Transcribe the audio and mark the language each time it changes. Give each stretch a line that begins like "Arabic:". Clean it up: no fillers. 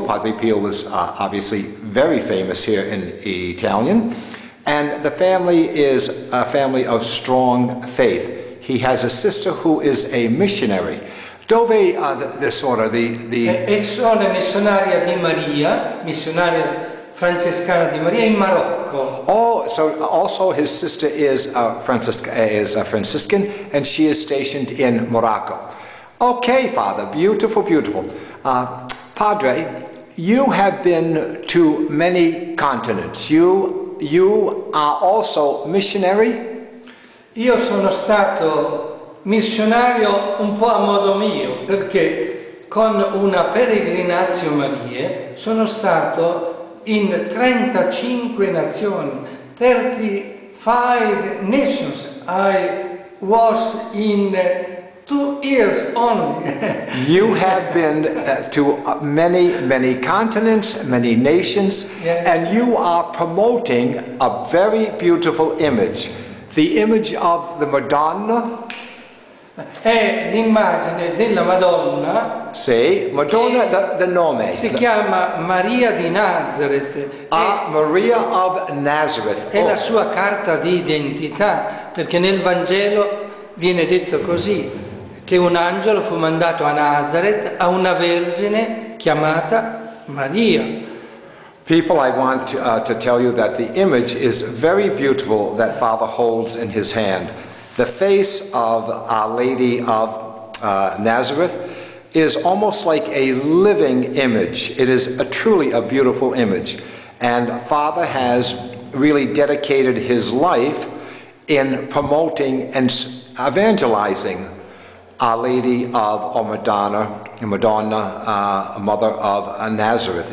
English: Padre Pio was obviously very famous here in Italian, and the family is a family of strong faith. He has a sister who is a missionary.
Italian: Dove Sono missionaria di Maria, missionaria francescana di Maria in Marocco.
English: Oh, so also his sister is a Franciscan, and she is stationed in Morocco. Okay, Father, beautiful, beautiful. Padre, you have been to many continents. You are also missionary.
Italian: Io sono stato missionario un po' a modo mio, perché con una peregrinazione Maria sono stato in 35 nazioni,
English: 35 nations. I was in 2 years only. You have been to many, many continents, many nations, yes. And you are promoting a very beautiful image, the image of the Madonna.
Italian: È l'immagine della Madonna. Sì, Madonna, the nome. Si chiama Maria di Nazareth.
English: Ah, Maria of Nazareth.
Italian: È la sua carta di identità, perché nel Vangelo viene detto così, che un angelo fu mandato a Nazareth a una vergine chiamata Maria.
English: People, I want to tell you that the image is very beautiful that Father holds in his hand. The face of Our Lady of Nazareth is almost like a living image. It is truly a beautiful image. And Father has really dedicated his life in promoting and evangelizing Our Lady of Madonna, Mother of Nazareth.